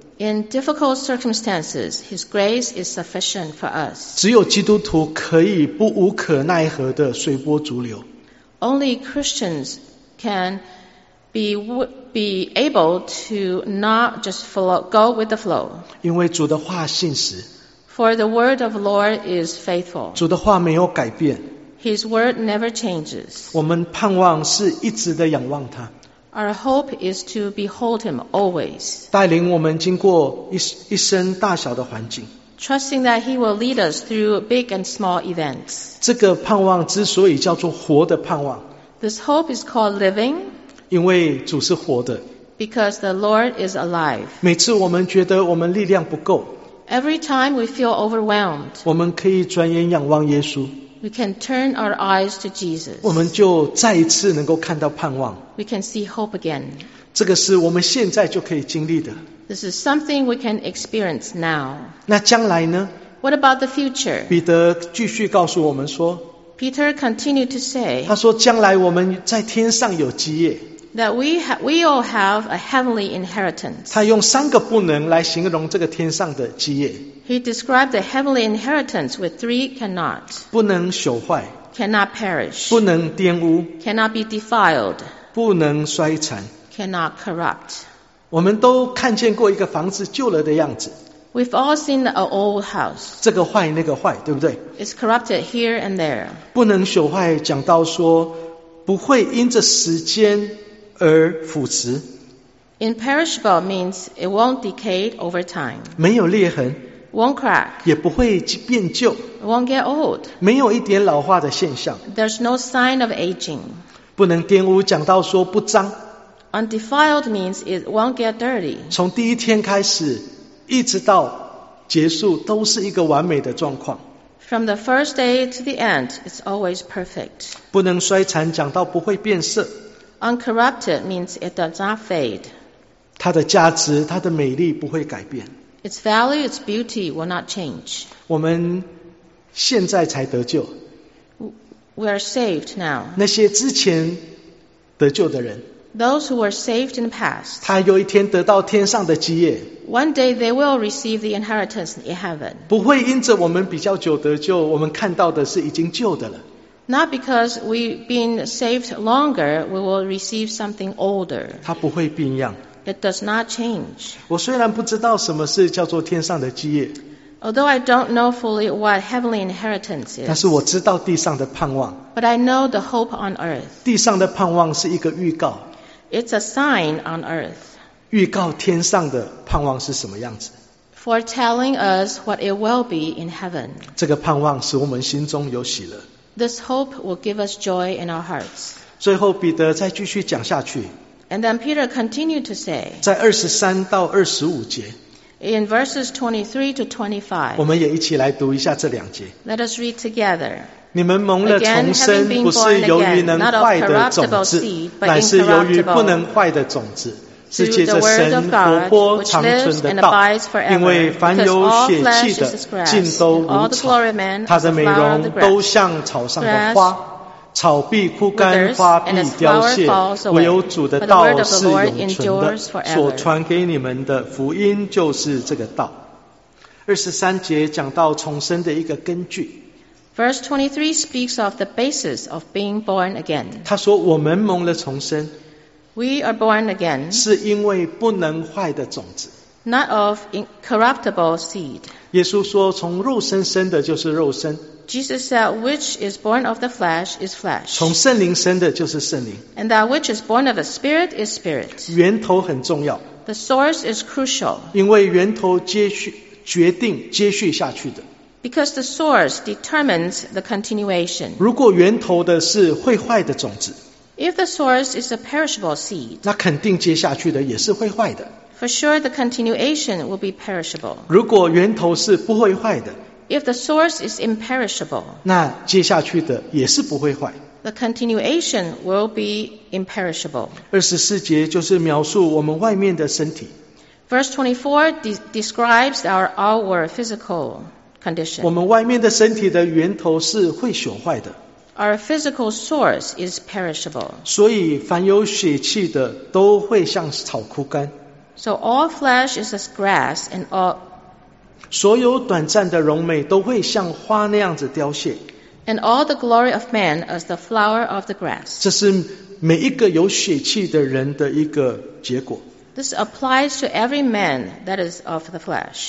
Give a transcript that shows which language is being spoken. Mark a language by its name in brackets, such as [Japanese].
[English] In difficult circumstances, His grace is sufficient for us. [Chinese] 只有基督徒可以不无可奈何的随波逐流。 [English] Only Christians can be able to not just flow, go with the flow. [Chinese] 因为主的话信实。 [English] For the word of the Lord is faithful. [Chinese] 主的话没有改变。 [English] His word never changes. [Chinese] 我们盼望是一直的仰望他。 [English] Our hope is to behold him always. [Chinese] 带领我们经过一生大小的环境。 [English] Trusting that he will lead us through big and small events. [Chinese] 这个盼望之所以叫做活的盼望。 [English] This hope is called living. [Chinese] 因为主是活的。 [English] Because the Lord is alive. [Chinese] 每次我们觉得我们力量不够。 [English] Every time we feel overwhelmed. [Chinese] 我们可以转眼仰望耶稣。 [English] We can turn our eyes to Jesus. [Chinese] 我们就再一次能够看到盼望。 [English] We can see hope again. [Chinese] 这个是我们现在就可以经历的。 [English] This is something we can experience now. [Chinese] 那将来呢？ [English] What about the future? [Chinese] 彼得继续告诉我们说。 [English] Peter continued to say. [Chinese] 他说将来我们在天上有基业。 [English] That we all have a heavenly inheritance. [Chinese] 他用三个不能来形容这个天上的基业。 [English] He described the heavenly inheritance with three cannot. [Chinese] 不能朽坏。 [English] Cannot perish. [Chinese] 不能玷污。 [English] Cannot be defiled. [Chinese] 不能衰残。 [English] Cannot corrupt. [Chinese] 我们都看见过一个房子旧了的样子。 [English] We've all seen an old house. [Chinese] 这个坏那个坏，对不对？ [English] It's corrupted here and there. [Chinese] 不能朽坏，讲到说不会因着时间而腐蚀。 [English] Imperishable means it won't decay over time. [Chinese] 没有裂痕。 [English] Won't crack. [Chinese] 也不会变旧。 [English] Won't get old. [Chinese] 没有一点老化的现象。 [English] There's no sign of aging. [Chinese] 不能玷污，讲到说不脏。 [English] Undefiled means it won't get dirty. [Chinese] 从第一天开始，一直到结束，都是一个完美的状况。 [English] From the first day to the end, it's always perfect. [Chinese] 不能衰残，讲到不会变色。 [English] Uncorrupted means it does not fade. [Chinese] 它的价值，它的美丽不会改变。 [English] Its value, its beauty will not change. [Chinese] 我们现在才得救。 [English] We are saved now. [Chinese] 那些之前得救的人。 [English] Those who were saved in the past. [Chinese] 他有一天得到天上的基业。 [English] One day they will receive the inheritance in heaven. [Chinese] 不会因着我们比较久得救，我们看到的是已经旧的了。 [English] Not because we've been saved longer, we will receive something older. [Chinese] 它不会变样。 [English] It does not change. [Chinese] 我虽然不知道什么是叫做天上的基业。 [English] Although I don't know fully what heavenly inheritance is. [Chinese] 但是我知道地上的盼望。 [English] But I know the hope on earth. [Chinese] 地上的盼望是一个预告。 [English] It's a sign on earth. [Chinese] 预告天上的盼望是什么样子。 [English] Foretelling us what it will be in heaven. [Chinese] 这个盼望使我们心中有喜乐。 [English] This hope will give us joy in our hearts. [Chinese] 最后彼得再继续讲下去。 [English] And then Peter continued to say, [Chinese] 在23到25节。 [English] In verses 23 to 25, [Chinese] 我们也一起来读一下这两节。 [English] Let us read together. [Chinese] 你们蒙了重生，不是由于能坏的种子，乃是由于不能坏的种子，是借着神活泼长存的道，因为凡有血气的尽都如草，他的美容都像草上的花，草必枯干，花必凋谢，唯有主的道是永存的。所传给你们的福音就是这个道。二十三节讲到重生的一个根据。 [English] Verse 23 speaks of the basis of being born again. [Chinese] 他说我们蒙了重生。 [English] We are born again. [Chinese] 是因为不能坏的种子。 [English] Not of incorruptible seed. [Chinese] 耶稣说从肉身生的就是肉身。 [English] Jesus said, which is born of the flesh is flesh. [Chinese] 从圣灵生的就是圣灵。 [English] And that which is born of the spirit is spirit. [Chinese] 源头很重要。 [English] The source is crucial. [Chinese] 因为源头决定接续下去的。 [English] Because the source determines the continuation. [Chinese] 如果源头的是会坏的种子。 [English] If the source is a perishable seed. [Chinese] 那肯定接下去的也是会坏的。 [English] For sure, the continuation will be perishable. [Chinese] 如果源头是不会坏的。 [English] If the source is imperishable. [Chinese] 那接下去的也是不会坏。 [English] The continuation will be imperishable. [Chinese] 24节就是描述我们外面的身体。 [English] Verse 24 describes our physical condition. [Chinese] 我们外面的身体的源头是会朽坏的。 [English] Our physical source is perishable. [Chinese] 所以凡有血气的都会像草枯干。 [English] So all flesh is as grass and all. [Chinese] 所有短暂的荣美都会像花那样子凋谢。 [English] And all the glory of man as the flower of the grass. [Chinese] 这是每一个有血气的人的一个结果。 [English] This applies to every man that is of the flesh.